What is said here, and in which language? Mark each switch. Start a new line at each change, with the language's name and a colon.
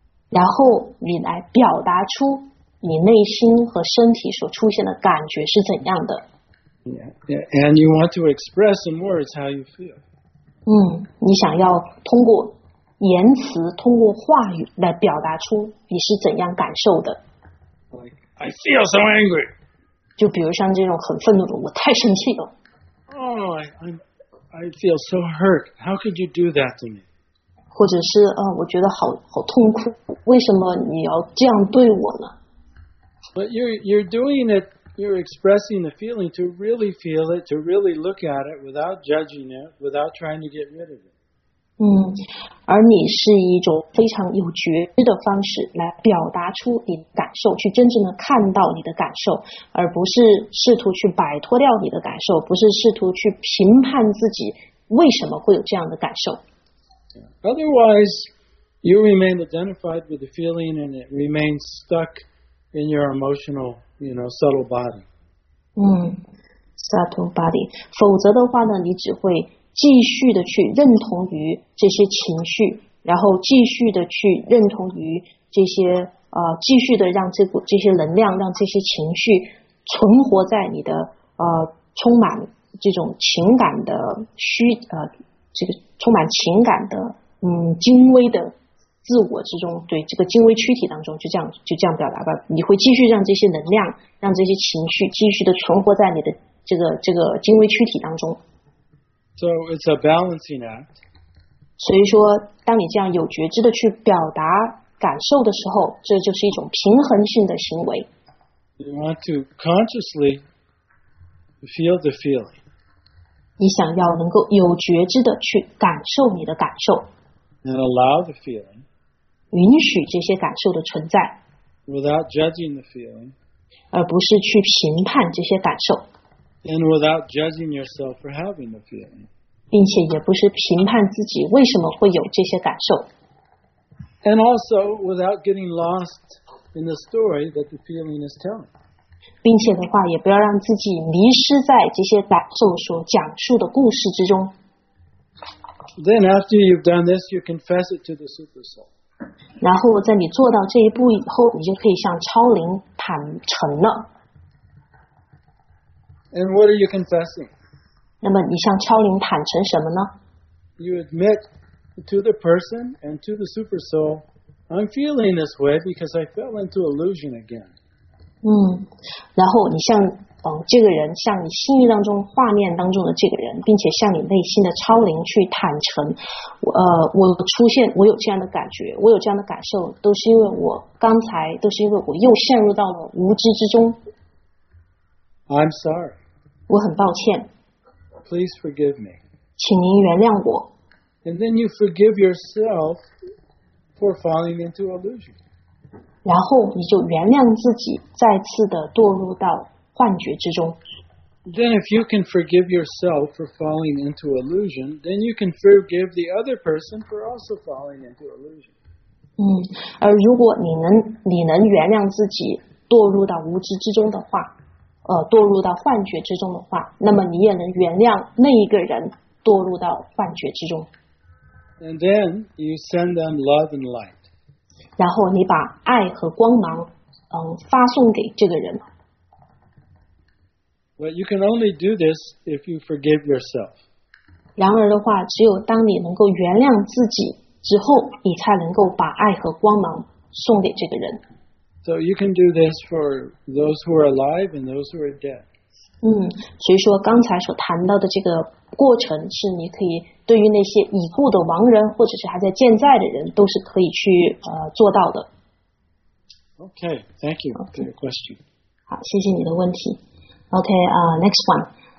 Chinese: 然后你来表达出你内心和身体所出现的感觉是怎样的。
English: Yeah, and you want to express in words how you feel.
Chinese: 你想要通过言辞，通过话语来表达出你是怎样感受的。
English: Like, I feel so angry.
Chinese: 就比如像这种很愤怒的，我太生气了。
English: Oh, I feel so hurt. How could you do that to me?
Chinese: 或者是我觉得好痛苦，为什么你要这样对我呢？
English: But you're doing it. You're expressing the feeling to really feel it, to really look at it without judging it, without trying to get rid of it.
Chinese: 而你是一种非常有觉知的方式来表达出你的感受，去真正的看到你的感受，而不是试图去摆脱掉你的感受，不是试图去评判自己为什么会有这样的感受。
English: Otherwise, you remain identified with the feeling and it remains stuck in your emotional, you know, subtle body. Subtle body.
Chinese: 否则的话呢，你只会继续的去认同于这些情绪，然后继续的去认同于这些继续的让这些能量，让这些情绪存活在你的充满这种情感的虚这个充满情感的精微的自我之中，对这个精微躯体当中，就这样表达吧。你会继续让这些能量，让这些情绪继续的存活在你的这个精微躯体当中。
English: So it's a balancing act.
Chinese: 所以说，当你这样有觉知的去表达感受的时候，这就是一种平衡性的行为。
English: You want to consciously feel the feeling.
Chinese: 你想要能够有觉知的去感受你的感受。
English: And allow the feeling.
Chinese: 允许这些感受的存在。
English: Without judging the feeling.
Chinese: 而不是去评判这些感受。
English: And without judging yourself for having the feeling.
Chinese: 并且也不是评判自己为什么会有这些感受。
English: And also without getting lost in the story that the feeling is telling.
Chinese: 并且的话也不要让自己迷失在这些感受所讲述的故事之中。
English: Then after you've done this, you confess it to the super soul.
Chinese: 然后在你做到这一步以后，你就可以向超灵坦诚了。
English: And what are you confessing?
Chinese: 那么你向超灵坦诚什么呢？
English: You admit to the person and to the super soul, I'm feeling this way because I fell into illusion again.
Chinese: 然后你向这个人，向你心意当中画面当中的这个人，并且向你内心的超灵去坦诚，我有这样的感觉，我有这样的感受，都是因为我又陷入到了无知之中。
English: I'm sorry.
Chinese: 我很抱歉。
English: Please forgive me.
Chinese: 请您原谅我。
English: And then you forgive yourself for falling into illusion.
Chinese: 然后你就原谅自己再次的堕入到幻觉之中。
English: Then if you can forgive yourself for falling into illusion, then you can forgive the other person for also falling into illusion.
Chinese: 而如果你能原谅自己堕入到无知之中的话，堕入到幻觉之中的话，那么你也能原谅那一个人堕入到幻觉之中。
English: And then you send them love and light.
Chinese: 然后你把爱和光芒，发送给这个人。
English: But you can only do this if you forgive yourself.
Chinese: 然而的话，只有当你能够原谅自己之后，你才能够把爱和光芒送给这个人。
English: So you can do this for those who are alive and those who are dead.
Chinese: 所以说刚才所谈到的这个过程是你可以对于那些已故的亡人或者是还在健在的人都是可以去做到的。
English: Okay, thank you for your question.
Chinese: 好，谢谢你的问题。
English: Okay, next one.